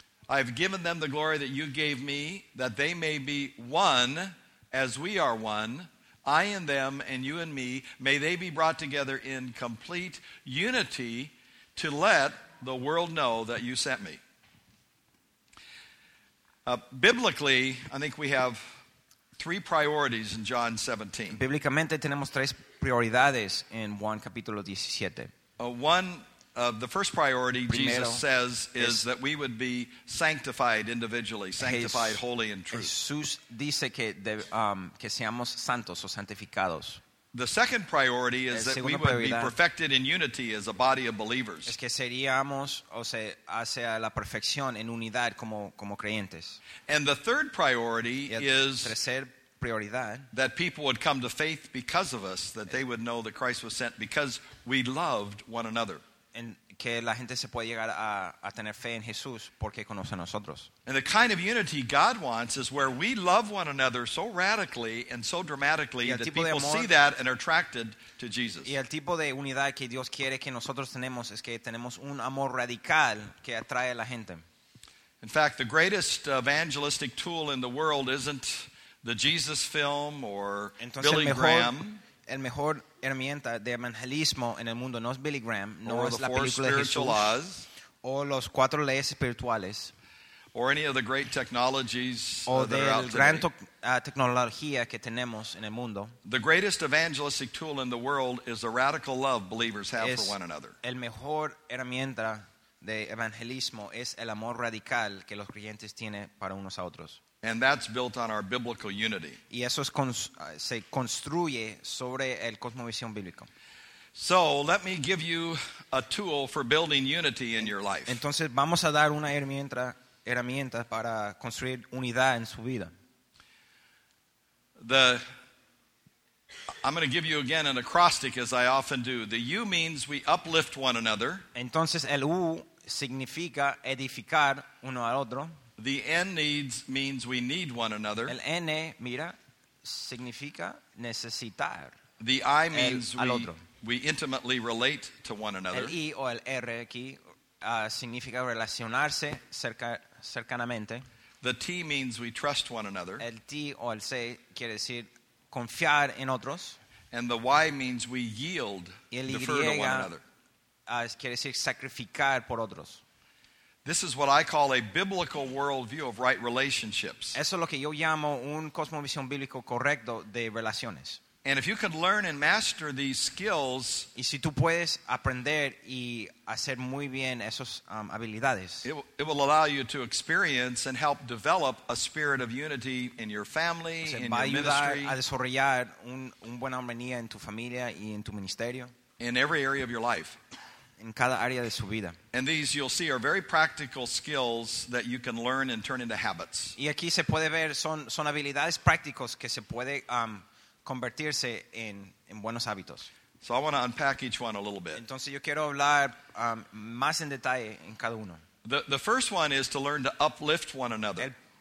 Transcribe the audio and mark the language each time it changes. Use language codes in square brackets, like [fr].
[en] I have given them the glory that you gave me, that they may be one as we are one, I in them and you in me. May they be brought together in complete unity to let the world know that you sent me. Biblically, I think we have three priorities in John 17. [es] Bíblicamente tenemos tres prioridades en Juan capítulo 17. [en] The first priority, [es] primero, [en] Jesus says, is that we would be sanctified individually, sanctified, [es] Jesús, [en] holy, and true. [es] Jesús dice que, de, que seamos santos o santificados. [en] The second priority is that we would be perfected in unity as a body of believers. [es] Es que seríamos, o sea, hacia la perfección en unidad como, como creyentes. [en] And the third priority is... [es] Prioridad. [en] That people would come to faith because of us, that they would know that Christ was sent because we loved one another. [es] En que la gente se puede llegar a tener fe en Jesús porque conoce a nosotros. [en] And the kind of unity God wants is where we love one another so radically and so dramatically that people [es] amor, [en] see that and are attracted to Jesus. [es] Y el tipo de unidad que Dios quiere que nosotros tenemos es que tenemos un amor radical que atrae a la gente. [en] In fact, the greatest evangelistic tool in the world isn't the Jesus film or [es] entonces, [en] Billy [es] mejor, [en] Graham. [es] El mejor herramienta de evangelismo en el mundo no es Billy Graham, no [en] or [es] es la película de Jesús, [en] laws, [es] o los cuatro leyes espirituales, [en] or any of the great technologies [es] o de la gran [en] today. [es] Tecnología que tenemos en el mundo. [en] The greatest evangelistic tool in the world is the radical love believers have [es] es [en] for one another. [es] El mejor herramienta de evangelismo es el amor radical que los creyentes tienen para unos a otros. [en] And that's built on our biblical unity. [es] Y eso es se construye sobre el cosmovisión bíblico. [en] So let me give you a tool for building unity in your life. [es] Entonces vamos a dar una herramienta para construir unidad en su vida. [en] I'm going to give you again an acrostic as I often do. The U means we uplift one another. [es] Entonces el U significa edificar uno al otro. [en] The N needs means we need one another. [es] El N, mira, significa necesitar. [en] The I means we intimately relate to one another. [es] El I o el R aquí significa relacionarse cercanamente. [en] The T means we trust one another. [es] El T o el C quiere decir confiar en otros. [en] And the Y means we yield, defer to one another. [es] Quiere decir sacrificar por otros. [en] This is what I call a biblical worldview of right relationships. [es] Eso es lo que yo llamo un cosmovisión bíblico correcto de relaciones. [en] And if you could learn and master these skills, [es] y si tú puedes aprender y hacer muy bien esos habilidades, [en] it will allow you to experience and help develop a spirit of unity in your family, in your ministry. [es] Va a ayudar a desarrollar un buena armonía en tu familia y en tu ministerio. [en] In every area of your life. [es] En cada área de su vida. [en] And these, you'll see, are very practical skills that you can learn and turn into habits. [es] Y aquí se puede ver son habilidades prácticos que se puede convertirse en buenos hábitos. [en] So I want to unpack each one a little bit. [es] Entonces yo quiero hablar más en detalle en cada uno. [en] The first one is to learn to uplift one another.